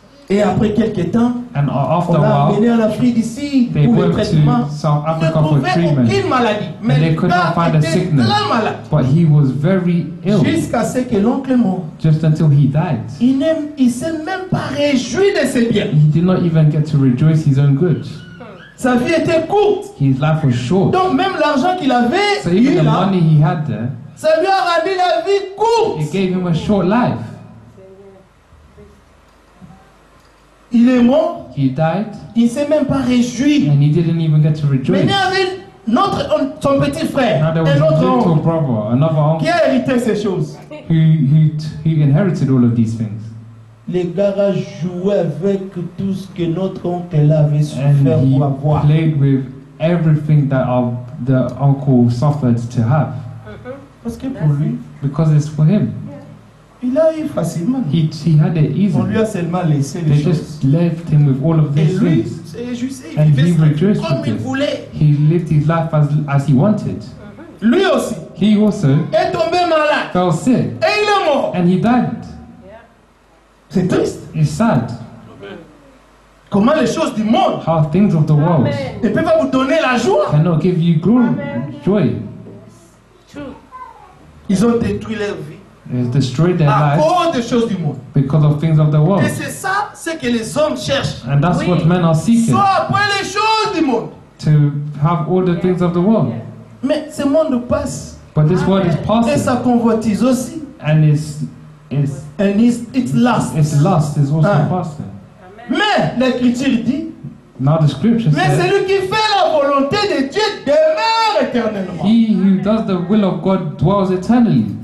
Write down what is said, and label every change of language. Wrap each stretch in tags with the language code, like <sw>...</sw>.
<fr>Et après quelques temps,</fr> <en>after</en> <fr>on a amené en Afrique d'ici pour le traitement, ils ne trouvaient aucune maladie. Mais le gars était très malade.</fr> <en>But he was very ill.</en> <fr>Jusqu'à ce que l'oncle mort.</fr> <en>Just until he died.</en> <fr>Il s'est même pas réjoui de ses biens.</fr> <en>He did not even get to rejoice his own goods.</en> <fr>Sa vie était courte.</fr> <en>His life was short.</en> <fr>Donc même l'argent qu'il avait,</fr> <en>so even the money he had there,</en> <fr>ça lui a rendu la vie courte.</fr> <en>It gave him a short life.</en> <fr>Il est mort.</fr> <en>He died.</en> <fr>Il s'est même pas réjoui.</fr> <en>And he didn't even get to rejoice.</en> <fr>Mais il y avait son petit frère, un autre</fr> <en>oncle, brother, another uncle,</en> <fr>qui a hérité ces choses.</fr> <en>He inherited all of these things.</en> <fr>Les gars jouaient avec tout ce que notre oncle avait souffert pour avoir.</fr> <en>He played with everything that the uncle suffered to have.</en> <fr>Parce que pour lui.</fr> <en>Because it's for him.</en> <fr>Il a eu facilement.</fr> <en>He had it easy.</en> <fr>On lui a seulement laissé</fr> <en>they</en> <fr>les choses.</fr> <en>They just left him with all of these</en> <fr>et lui,</fr> <en>things.</en> <fr>Et lui, c'est juste, il vivait comme il voulait.</fr> <en>He lived his life as he wanted.</en> <fr>Lui aussi.</fr> <en>He also</en> <fr>est tombé malade.</fr> <en>Fell sick.</en> <fr>Et il est mort.</fr> <en>And he died.</en> <fr>Yeah. C'est triste.</fr> <en>It's sad.</en> <fr>Amen. Comment les choses du monde?</fr> <en>How things of the world.</en> <fr>Ne peuvent pas vous donner la joie?</fr> <en>Cannot give you glory, joy.</en> <fr>True. Ils ont détruit leur vie.</fr> <en>It's destroyed their lives because of things of the world.</en> <fr>Et c'est ça, c'est que les hommes cherchent.</fr> <en>And that's what men are seeking.</en> <fr>Soit après les choses du monde.</fr> <en>To have all the things of the world.</en> <fr>Yeah. Mais ce monde passe.</fr> <en>But this world is passing.</en> <fr>Et sa convoitise aussi.</fr> <en>And it's lust. It's lust is also passing.</en> <fr>Mais l'Écriture dit.</fr> <en>Now the scripture says.</en> <fr>Mais celui qui fait la volonté de Dieu demeure éternellement.</fr> <en>He who does the will of God dwells eternally.</en>